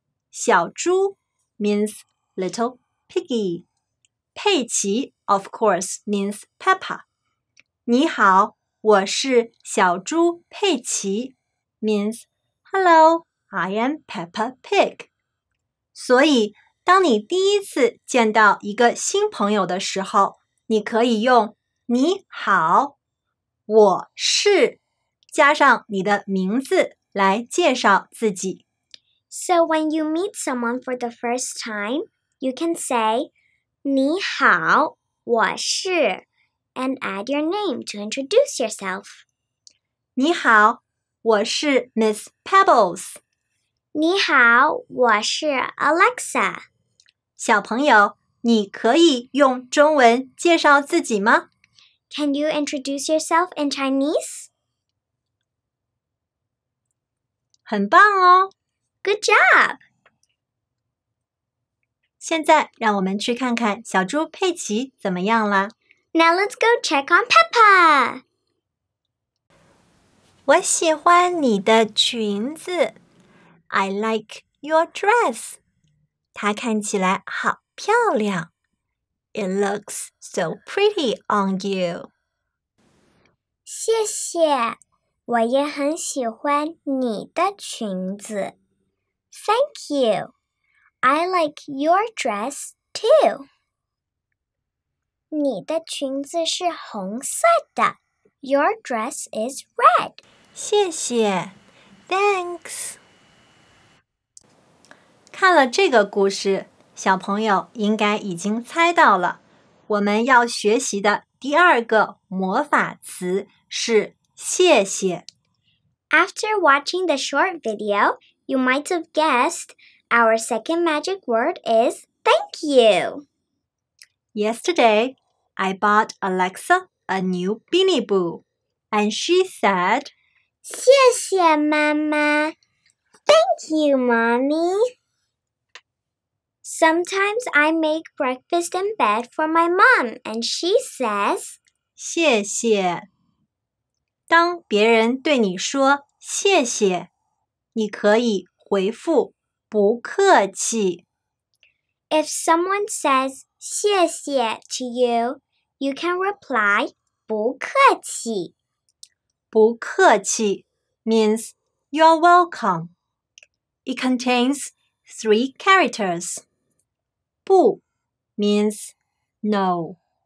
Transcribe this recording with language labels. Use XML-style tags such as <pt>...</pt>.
<en>小猪 means little piggy. 佩奇, of course, means Peppa.</en> <zh>你好。我是小猪佩奇</zh> <en>means Hello, I am Peppa Pig.</en> <zh>所以当你第一次见到一个新朋友的时候你可以用你好我是加上你的名字来介绍自己。</zh> <en>So when you meet someone for the first time, you can say</en> <zh>你好我是</zh> <en>and add your name to introduce yourself.</en> <zh>你好,我是 Miss Pebbles. 你好,我是 Alexa. 小朋友,你可以用中文介绍自己吗?</zh> <en>Can you introduce yourself in Chinese?</en> <zh>很棒哦!</zh> <en>Good job!</en> <zh>现在让我们去看看小猪佩奇怎么样啦。</zh> <en>Now let's go check on Peppa.</en> <zh>我喜欢你的裙子。</zh> <en>I like your dress.</en> <zh>它看起来好漂亮。</zh> <en>It looks so pretty on you.</en> <zh>谢谢。我也很喜欢你的裙子。</zh> <en>Thank you. I like your dress too.</en> <zh>你的裙子是红色的。</zh> <en>Your dress is red.</en> <zh>谢谢 ，Thanks。看了这个故事，小朋友应该已经猜到了，我们要学习的第二个魔法词是谢谢。</zh> <en>After watching the short video, you might have guessed our second magic word is thank you. Yesterday, I bought Alexa a new Beanie Boo, and she said,</en> <zh>谢谢妈妈。</zh> <en>Thank you, Mommy. Sometimes I make breakfast in bed for my mom, and she says,</en> <zh>谢谢。当别人对你说谢谢，你可以回复不客气。</zh> <en>If someone says 谢谢 to you, you can reply 不客气。不客气 means you're welcome. It contains three characters. 不 means no.</en>